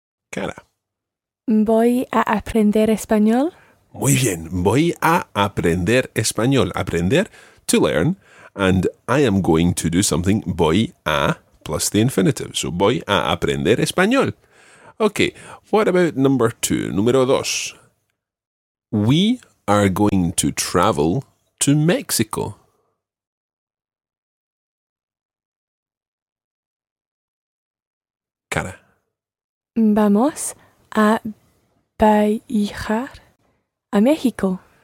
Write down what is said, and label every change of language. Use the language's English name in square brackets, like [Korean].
[English] Cara. [Spanish] Voy a aprender español. Muy bien. Voy a aprender español. Aprender, [English] to learn. And I am going to do something. [Spanish] Voy a, [English] plus the infinitive. [Spanish] So voy a aprender español. [English] Okay. What about number two? [Spanish] Número dos. [English] We are going to travel to Mexico. Cara. [Spanish] Vamos a viajar a México.